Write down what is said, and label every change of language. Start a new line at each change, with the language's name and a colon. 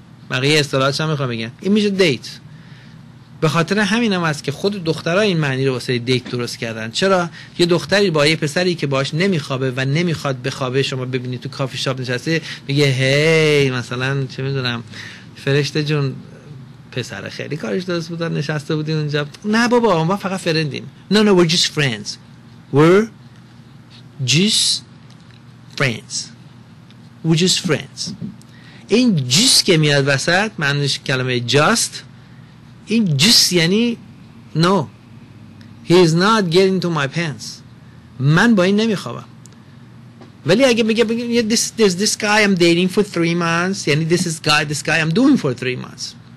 Persian: بقیه اصطلاحاتش هم میخوام بگم، این میشه دیت. به خاطر همین هم هست که خود دخترها این معنی رو واسه دیت درست کردن. چرا؟ یه دختری با یه پسری که باش نمیخوابه و نمیخواد بخوابه، شما ببینید تو کافی شاپ نشسته، میگه هی مثلا چه میدونم فرشته جون، پسر خیلی کارش درست بودن، نشسته بودین اونجا. نه بابا ما فقط فرندیم. نه نه
English: we're just friends، we're just friends.
Persian: این just که میاد وسط، معنیش کلمه just، این just یعنی
English: no he is not getting to my pants،
Persian: من با این نمیخوابم. ولی اگه میگه
English: this guy I'm dating for 3 months،
Persian: یعنی
English: this guy I'm doing for 3 months.